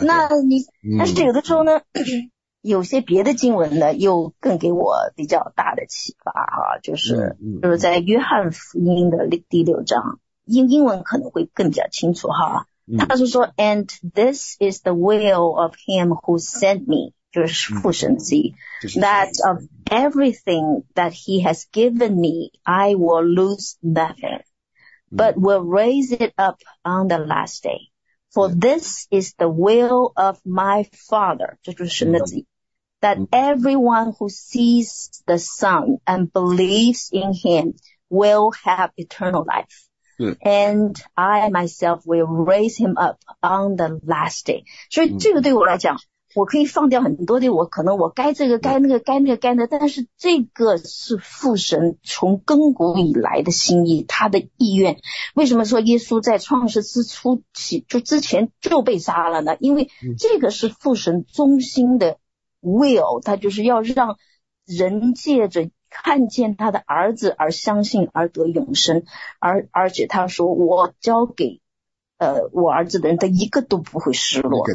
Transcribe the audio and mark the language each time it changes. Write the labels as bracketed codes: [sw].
[zh] 那你，但是有的时候呢，有些别的经文呢，又更给我比较大的启发哈，就是在约翰福音的第六章，英文可能会更加清楚哈。他是说 [en] ，And this is the will of him who sent me。 [zh] 就是父神之意， [en] That of everything that he has given me, I will lose nothing, but will raise it up on the last day. For this is the will of my Father, [zh] 这就是神的旨意, [en] that everyone who sees the Son and believes in him will have eternal life. And I myself will raise him up on the last day. [zh] 所以这个对我来讲，我可以放掉很多的，我可能我该这个该那个该那个该那个，但是这个是父神从亘古以来的心意，他的意愿。为什么说耶稣在创世之初起就之前就被杀了呢？因为这个是父神中心的 will， 他就是要让人借着看见他的儿子而相信而得永生，而且他说我交给我儿子的人，他一个都不会失落。